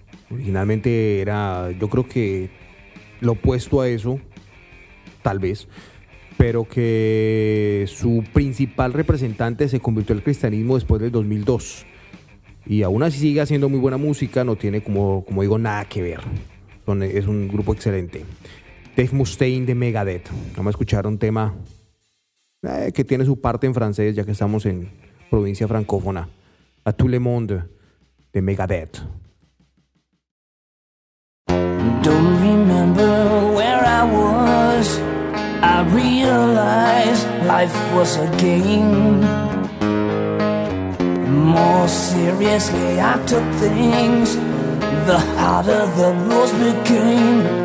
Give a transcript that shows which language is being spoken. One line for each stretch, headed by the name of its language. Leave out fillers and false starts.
Spanish: Originalmente era, yo creo que lo opuesto a eso, tal vez, pero que su principal representante se convirtió al cristianismo después del 2002. Y aún así sigue haciendo muy buena música, no tiene como digo nada que ver. Es un grupo excelente. Dave Mustaine de Megadeth. Vamos a escuchar un tema que tiene su parte en francés, ya que estamos en provincia francófona. A Tout le Monde de Megadeth.
English: Don't remember where I was. I realized life was a game. More seriously I took things, the harder the rules became.